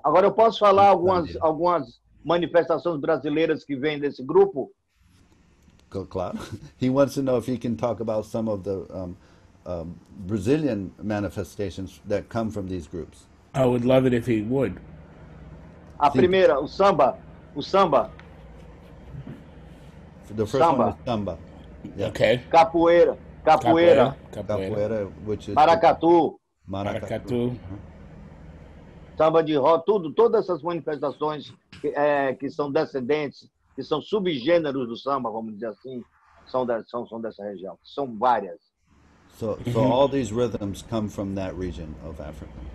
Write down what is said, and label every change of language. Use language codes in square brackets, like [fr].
[pt] Agora eu posso falar algumas manifestações brasileiras que vêm desse grupo? Claro. [en] He wants to know if he can talk about some of the Brazilian manifestations that come from these groups. I would love it if he would. [pt] Primeira, o samba. O samba. [en] The first samba. One is samba. Yeah. Okay. [pt] Capoeira. Capoeira. [en] Capoeira, which is [pt] maracatu. Maracatu. Samba de roda, tudo, todas essas manifestações que são descendentes, que são subgêneros do samba, vamos dizer assim, são dessa região. São várias. [en] So all these rhythms come from that region of Africa.